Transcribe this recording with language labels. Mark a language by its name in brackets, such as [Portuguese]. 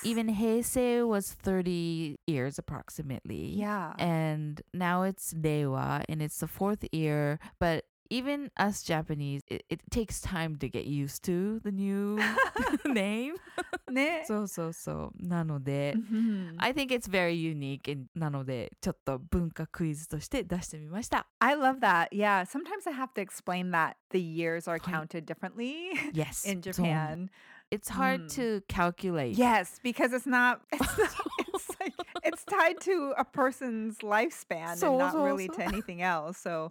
[English] Even Heisei was 30 years approximately. Yeah. And now it's Reiwa, and it's the fourth year. But even us Japanese, it takes time to get used to the new name. [Japanese] ね、そうそうそう。なので、 mm-hmm. [English] I think it's very unique. [Japanese] なので、ちょっと文化クイズとして出してみました。 [English] I love that. Yeah, sometimes I have to explain that the years are counted differently yes, in Japan. It's hard、mm. to calculate. Yes, because it's tied to a person's lifespan [Japanese] そうそうそう [English] and not really to anything else. So,